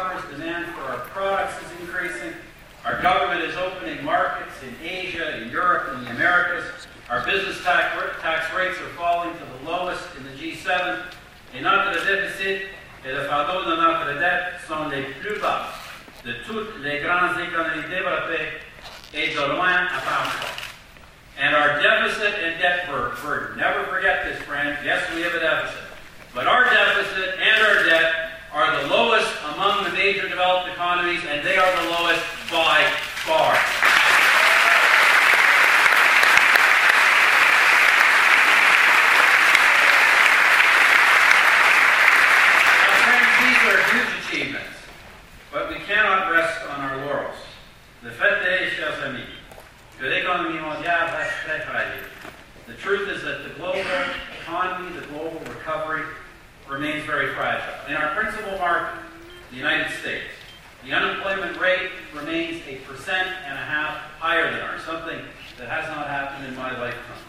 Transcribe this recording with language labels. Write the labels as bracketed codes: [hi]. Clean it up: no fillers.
[en] Demand for our products is increasing. Our government is opening markets in Asia, in Europe, in the Americas. Our business tax rates are falling to the lowest in the G7. [fr] Et notre déficit et le fardeau de notre dette sont les plus bas de toutes les grandes économies développées et de loin à part. [en] And our deficit and debt burden, never forget this, friend. Yes, we have a deficit. But our deficit and our debt are the lowest among the major developed economies, and they are the lowest by far. Now, friends, these are huge achievements, but we cannot rest on our laurels. [fr] Le fait est, chers amis, que l'économie mondiale reste très fragile. [en] The truth is that the global economy, the global recovery, remains very fragile. In our principal market, the United States, the unemployment rate remains 1.5% higher than ours, something that has not happened in my lifetime.